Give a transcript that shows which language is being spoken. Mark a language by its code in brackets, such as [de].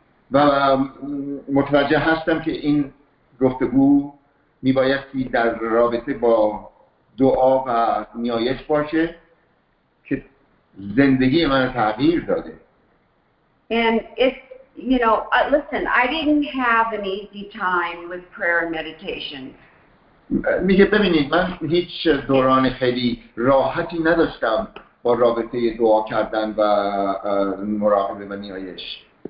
[fa] و متوجه هستم که این گفتگو میبایستی در رابطه با دعا و نیایش باشه که زندگی من تغییر داده. [en] And if you know, listen, I didn't have an easy time with prayer and meditation. [fa] میگه ببینید من هیچ دوران خیلی راحتی نداشتم با رابطه دعا کردن و مراقبه و نیایش.